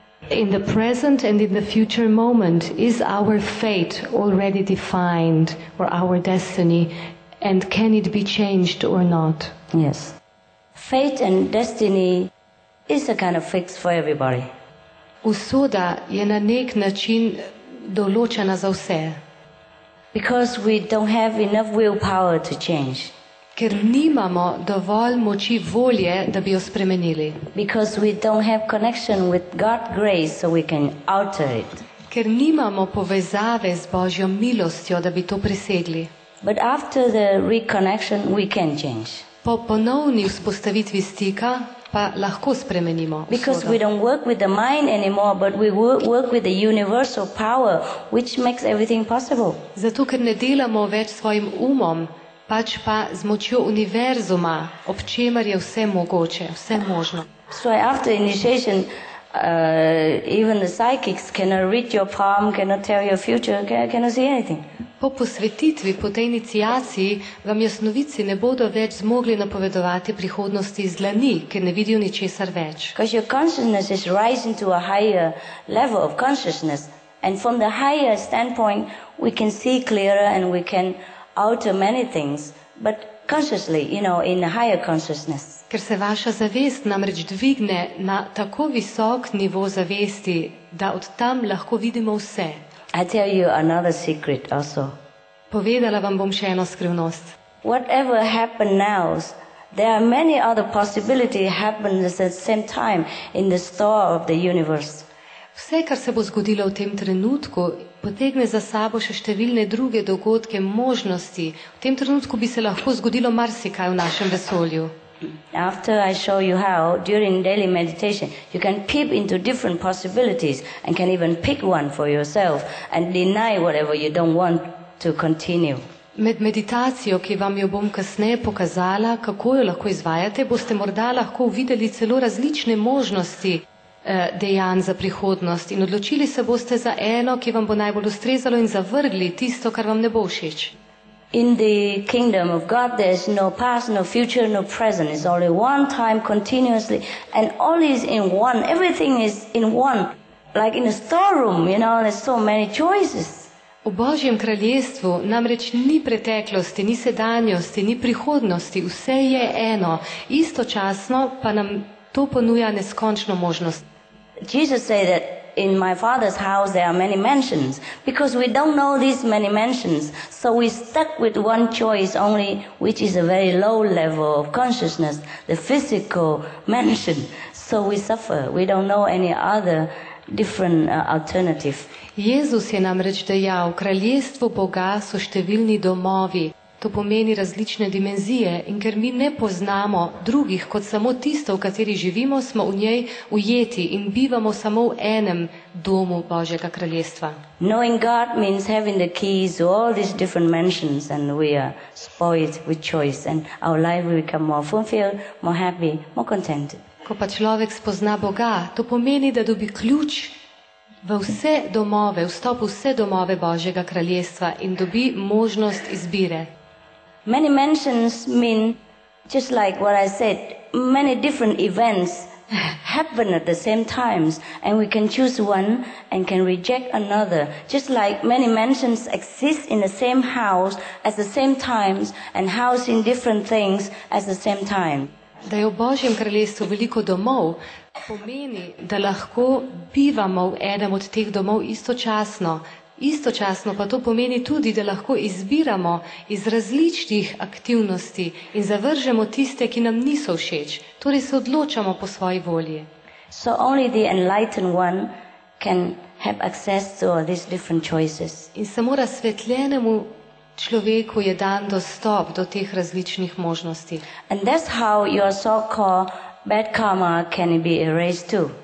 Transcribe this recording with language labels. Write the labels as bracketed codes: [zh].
[en] In the present and in the future moment, is our fate already defined or our destiny? And can it be changed or not? Yes. Fate and destiny is a kind of fix for everybody. [sl] Usoda je na nek način določena za vse. [en] Because we don't have enough willpower to change. [sl] Ker nimamo dovolj moči volje, da bi jo spremenili. [en] Because we don't have connection with God's grace so we can alter it. [sl] Ker nimamo povezave z Božjo milostjo, da bi to presegli. [en] But after the reconnection we can change. [sl] Po ponovni vzpostavitvi stika pa lahko spremenimo. [en] Because we don't work with the mind anymore, but we work with the universal power which makes everything possible. [sl] Zato ker ne delamo več svojim umom, pač pa z močjo univerzuma, ob čemer je vse mogoče, vse možno. [en] So after initiation even the psychics cannot read your palm, cannot tell your future, cannot see anything. [sl] Po posvetitvi, po tej iniciaciji, vam jasnovici ne bodo več zmogli napovedovati prihodnosti iz dlani, ker ne vidijo ničesar več. [en] Because your consciousness is rising to a higher level of consciousness. And from the higher standpoint, we can see clearer and we can alter many things. But consciously, you know, in a higher consciousness. [sl] Ker se vaša zavest namreč dvigne na tako visok nivo zavesti, da od tam lahko vidimo vse. [en] I tell you another secret also. [sl] Povedala vam bom še eno skrivnost. [en] Whatever happens now, there are many other possibilities happen at the same time in the store of the universe. [sl] Vse, kar se bo zgodilo v tem trenutku, potegne za sabo še številne druge dogodke, možnosti. V tem trenutku bi se lahko zgodilo marsikaj v našem vesolju. [en] After I show you how, during daily meditation, you can peep into different possibilities and can even pick one for yourself and deny whatever you don't want to continue. [sl] Med meditacijo, ki vam jo bom kasneje pokazala, kako jo lahko izvajate, boste morda lahko videli celo različne možnosti dejanj za prihodnost in odločili se boste za eno, ki vam bo najbolj ustrezalo in zavrgli tisto, kar vam ne bo všeč. [en] In the kingdom of God, there is no past, no future, no present. It's only one time continuously, and all is in one. Everything is in one. Like in a storeroom, you know, there's so many choices. [sl] V Božjem kraljestvu namreč ni preteklosti, ni sedanjosti, ni prihodnosti. Vse je eno. Istočasno pa nam to ponuja neskončno možnost. [en] Jesus said that, in my father's house there are many mansions. Because we don't know these many mansions, so we stuck with one choice only, which is a very low level of consciousness, the physical mansion. So we suffer. We don't know any other different alternative. [sl] Jezus je namreč dejal, kraljestvo Boga so številni domovi. To pomeni različne dimenzije in ker mi ne poznamo drugih kot samo tisto, v kateri živimo, smo v njej ujeti in bivamo samo v enem domu Božjega kraljestva. [en] Knowing God means having the keys to all these different mansions and we are spoiled with choice and our life will become more fulfilled, more happy, more content. [sl] Ko pa človek spozna Boga, to pomeni, da dobi ključ v vse domove, vstop v vse domove Božjega kraljestva in dobi možnost izbire. [en] Many mansions mean, just like what I said, many different events happen at the same times, and we can choose one and can reject another. Just like many mansions exist in the same house at the same times and housing different things at the same time. [sl] Da je v Božjem kraljestvu veliko domov, pomeni, da lahko bivamo v enem od teh domov istočasno. Istočasno pa to pomeni tudi, da lahko izbiramo iz različnih aktivnosti in zavržemo tiste, ki nam niso všeč. Torej se odločamo po svoji volji. [en] So only the enlightened one can have access to all these different choices. [sl] In samo razsvetljenemu človeku je dan dostop do teh različnih možnosti. [en] And that's how your so-called bad karma can be erased too.